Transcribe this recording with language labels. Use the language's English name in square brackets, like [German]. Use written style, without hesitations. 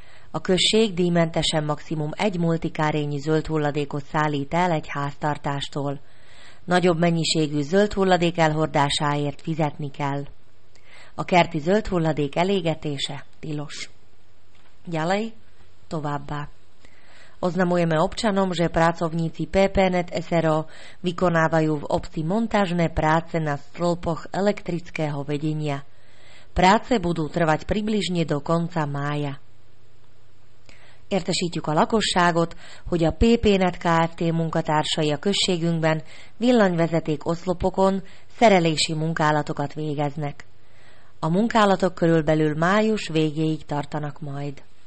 [Hungarian] A község díjmentesen maximum 1 multikárényi zöld hulladékot szállít el egy háztartástól. Nagyobb mennyiségű zöld hulladék elhordásáért fizetni kell. A kerti zöld hulladék elégetése tilos. [Slovak] Ďalej, [Hungarian] továbbá. [Slovak] Oznamujeme občanom, že pracovníci PPNet SRO vykonávajú v obci montážne práce na stĺpoch elektrického vedenia. Práce budú trvať približne do konca mája. [Hungarian] Értesítjük a lakosságot, hogy a PPNet Kft. Munkatársai a községünkben villanyvezeték oszlopokon szerelési munkálatokat végeznek. A munkálatok körülbelül május végéig tartanak majd.